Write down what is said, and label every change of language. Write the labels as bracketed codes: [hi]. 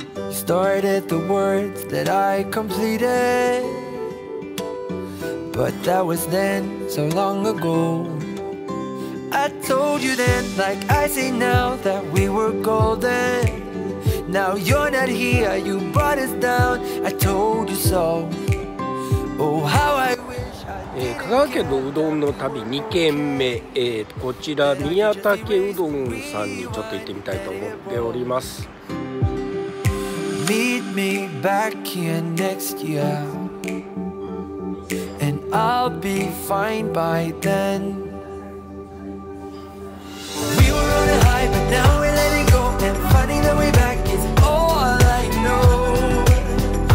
[en] Started the words that I completed, but that was then, so long ago. I told you then, like I say now, that we were golden. Now you're not here, you brought us down. I told you so. Oh, how I wish. [ja] 香川県のうどんの旅2軒目、こちら宮武うどんさんにちょっと行ってみたいと思っております。 [en] Meet me back here next year and I'll be fine by then. We were on a high but now we're letting go and finding the way back is all I know.